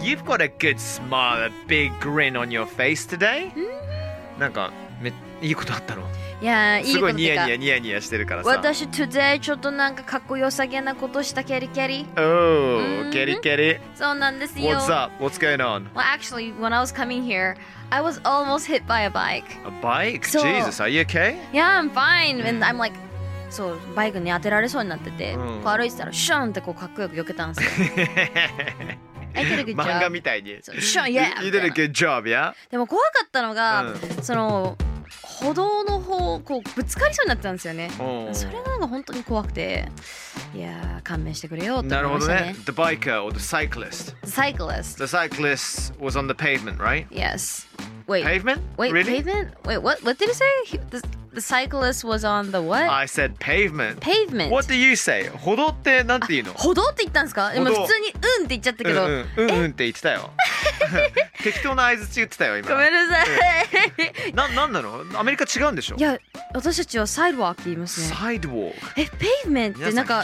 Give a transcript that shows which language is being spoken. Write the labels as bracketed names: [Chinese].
[English] You've got a good smile, a big grin on your face today. [Japanese] なんかめいいことあったの。いやいいことってか。すごいニヤニヤニヤニヤしてるからさ。私 today ちょっとなんかかっこよさげなことしたケリケリ。ケリケリ。そうなんですよ。 [English] What's up? What's going on? Well, actually, when I was coming here, I was almost hit by a bike. A bike? So, Jesus, are you okay? Yeah, I'm fine. And I'm like. [Japanese] そうバイクに当てられそうになってて、うん、こう歩いてたらシュンってこうかっこよく避けたんですよ。漫画みたいに。シュン、yeah! [English] You did a good job, yeah? [Japanese] でも怖かったのが、うん、その歩道の方こうぶつかりそうになってたんですよね。おうおうそれなんか本当に怖くて、いや勘弁してくれよって思いましたね。なるほどね。 [English] The biker or the cyclist? The cyclist. The cyclist was on the pavement, right? Yes. Wait. Pavement? Wait, really? Pavement? Wait, what did you say? The cyclist was on the what? I said pavement. Pavement. What do you say? [Japanese] 歩道ってなんて言うの？歩道って言ったんですか？でも普通にうんって言っちゃったけど。うんうん、うんうんって言ってたよ。適当な相槌言ってたよ今。ごめんなさい。なんなの？アメリカ違うんでしょ？いや、私たちはサイドワークって言いますね。サイドワーク。え、ペイブメントってなんか。